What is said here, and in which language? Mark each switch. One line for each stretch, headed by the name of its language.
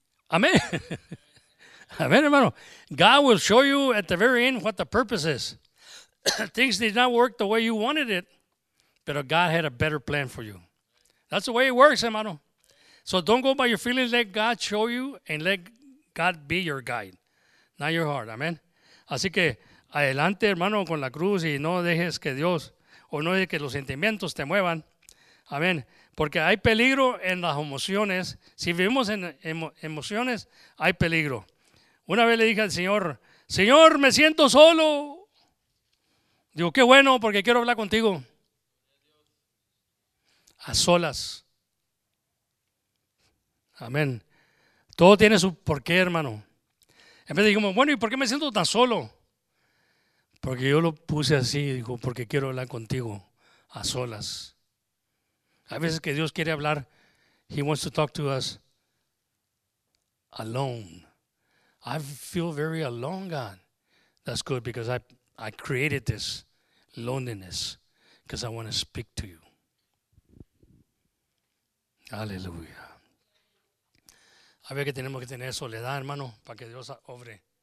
English: Amen. Amen, hermano. God will show you at the very end what the purpose is. Things did not work the way you wanted it, but God had a better plan for you. That's the way it works, hermano. So don't go by your feelings. Let God show you and let God be your guide, not your heart. Amen.
Spanish: Así que adelante, hermano, con la cruz y no dejes que Dios o no dejes que los sentimientos te muevan. Amén. Porque hay peligro en las emociones. Si vivimos en emociones, hay peligro. Una vez le dije al Señor, Señor, me siento solo. Digo, qué bueno, porque quiero hablar contigo. A solas. Amén. Todo tiene su porqué, hermano. En vez de decir, bueno, ¿y por qué me siento tan solo? Porque yo lo puse así, digo, porque quiero hablar contigo a solas. Hay veces que Dios quiere hablar.
English: He wants to talk to us alone. I feel very alone, God. That's good because I created this loneliness because I want to speak to you.
Spanish: Aleluya. A ver que tenemos que tener soledad, hermano, para que Dios obre.